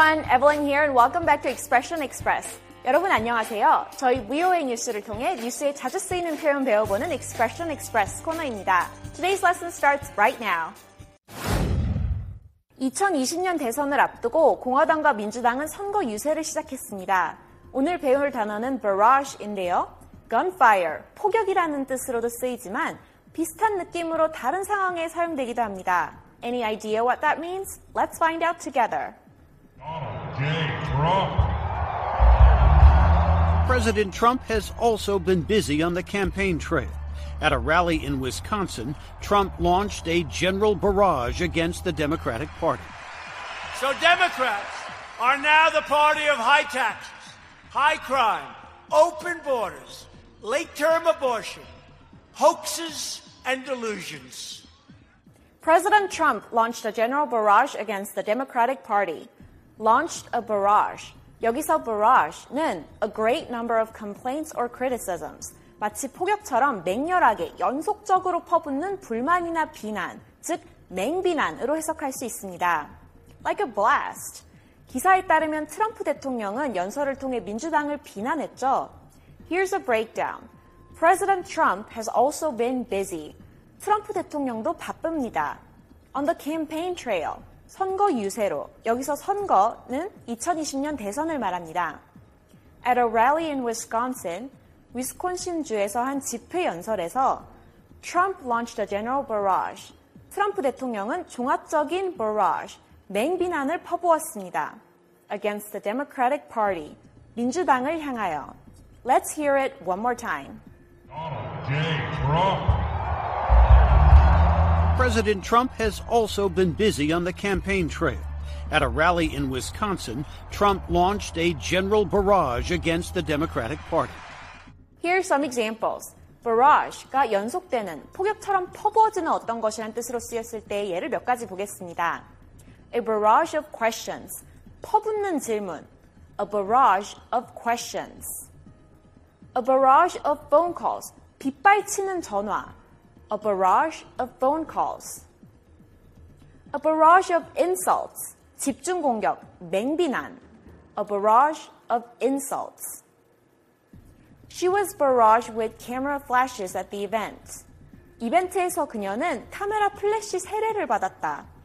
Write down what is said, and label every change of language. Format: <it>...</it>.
<en>Evelyn here and welcome back to Expression Express.</en> <ko>여러분 안녕하세요. 저희 VOA 뉴스를 통해 뉴스에 자주 쓰이는 표현 배워보는 Expression Express 코너입니다.</ko> <en>Today's lesson starts right now.</en> <ko>2020년 대선을 앞두고 공화당과 민주당은 선거 유세를 시작했습니다. 오늘 배울 단어는 barrage인데요. Gunfire, 폭격이라는 뜻으로도 쓰이지만 비슷한 느낌으로 다른 상황에 사용되기도 합니다.</ko> <en>Any idea what that means? Let's find out together. President Trump has also been busy on the campaign trail. At a rally in Wisconsin, Trump launched a general barrage against the Democratic Party. So Democrats are now the party of high taxes, high crime, open borders, late-term abortion, hoaxes, and delusions. President Trump launched a general barrage against the Democratic Party. Launched a barrage.</en> <ko>여기서</ko> <en>barrage는 a great number of complaints or criticisms.</en> <ko>마치 폭격처럼 맹렬하게 연속적으로 퍼붓는 불만이나 비난, 즉 맹비난으로 해석할 수 있습니다.</ko> <en>Like a blast.</en> <ko>기사에 따르면 트럼프 대통령은 연설을 통해 민주당을 비난했죠.</ko> <en>Here's a breakdown. President Trump has also been busy.</en> <ko>트럼프 대통령도 바쁩니다.</ko> <en>On the campaign trail.</en> <ko>선거 유세로, 여기서 선거는 2020년 대선을 말합니다.</ko> <en>At a rally in Wisconsin,</en> <ko>위스콘신주에서 한 집회 연설에서</ko> <en>Trump launched a general barrage,</en> <ko>트럼프 대통령은 종합적인 barrage, 맹비난을 퍼부었습니다.</ko> <en>Against the Democratic Party,</en> <ko>민주당을 향하여.</ko> <en>Let's hear it one more time. Donald J. Trump. President Trump has also been busy on the campaign trail. At a rally in Wisconsin, Trump launched a general barrage against the Democratic Party. Here are some examples.</en> <ko>Barrage가 연속되는, 폭격처럼 퍼부어지는 어떤 것이란 뜻으로 쓰였을 때 예를 몇 가지 보겠습니다.</ko> <en>A barrage of questions,</en> <ko>퍼붓는 질문.</ko> <en>A barrage of questions. A barrage of phone calls,</en> <ko>빗발치는 전화.</ko> <en>A barrage of phone calls. A barrage of insults,</en> <ko>집중공격, 맹비난.</ko> <en>A barrage of insults. She was barraged with camera flashes at the event.</en> <ko>이벤트에서 그녀는 카메라 플래시 세례를 받았다.</ko>